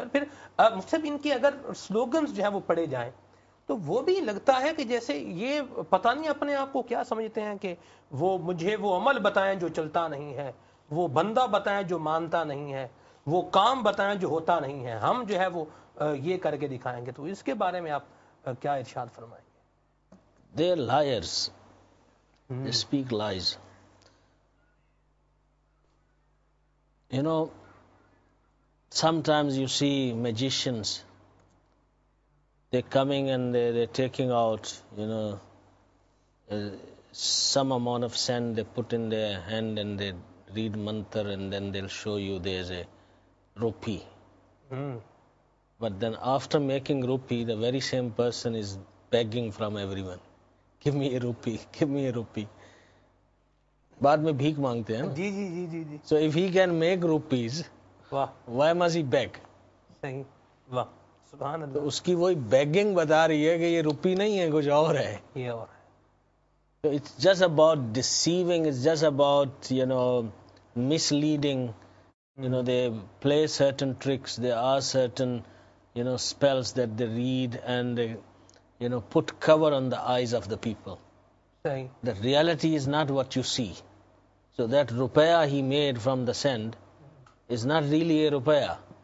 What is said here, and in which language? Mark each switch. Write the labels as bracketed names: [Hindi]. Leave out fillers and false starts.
[Urdu] اور پھر مطلب ان کی اگر سلوگنز جو ہے وہ پڑھے جائیں تو وہ بھی لگتا ہے کہ جیسے یہ پتہ نہیں اپنے آپ کو کیا سمجھتے ہیں کہ وہ مجھے وہ عمل بتائیں جو چلتا نہیں ہے, وہ بندہ بتائیں جو مانتا نہیں ہے, وہ کام بتائیں جو ہوتا نہیں ہے, ہم جو ہے وہ یہ کر کے دکھائیں گے. تو اس کے بارے میں آپ کیا ارشاد فرمائیں گے؟ [English] They are liars, they speak lies. You know sometimes you see magicians, they coming and they taking out, you know some amount of sand they put in the hand and they read mantra and then they show you there is a rupee. But then after making rupee the very same person is begging from everyone, give me a rupee, give me a rupee. [Urdu] بعد میں بھیک مانگتے ہیں. جی جی جی جی. [English] So if he can make rupees, why must he beg? [Urdu] واہ سبحان اللہ. اس کی وہی بیگنگ بتا رہی ہے کہ یہ روپی نہیں ہے, کچھ اور ہے, یہ اور ہے. [English] It's just about deceiving, it's just about you know misleading. You know, they play certain tricks, there are certain, you know, spells that they read and they, you know, put cover on the eyes of the people. Sorry. The reality is not what you see. So that rupaya he made from the sand is not really a rupaya.